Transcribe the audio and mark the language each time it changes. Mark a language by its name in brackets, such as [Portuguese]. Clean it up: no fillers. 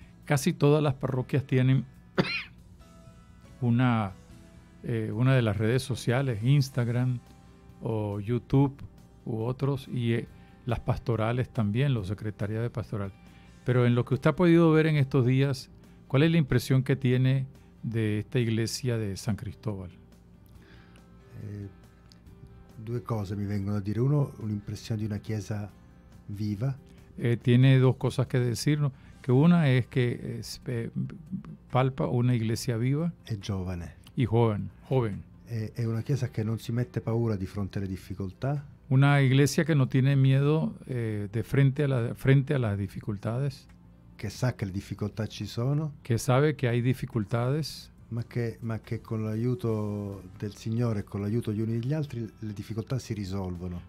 [Spanish] Casi todas las parroquias tienen una de las redes sociales, Instagram o YouTube u otros, y las pastorales también, los secretarías de pastoral. Pero en lo que usted ha podido ver en estos días, ¿cuál es la impresión que tiene de esta iglesia de San Cristóbal? [Italian] Due cose mi vengono a dire. Uno, un'impressione di una chiesa viva. [Spanish] Tiene dos cosas que decirnos. Que una es que palpa una iglesia viva. [Italian] E giovane. [Spanish] Y joven. [Italian] È una chiesa che non si mette paura di fronte alle difficoltà. [Spanish] Una iglesia que no tiene miedo frente a las dificultades. [Italian] Che sa che le difficoltà ci sono. [Spanish] Que sabe que hay dificultades. [Italian] Ma che con l'aiuto del Signore, con l'aiuto gli uni degli altri, le difficoltà si risolvono.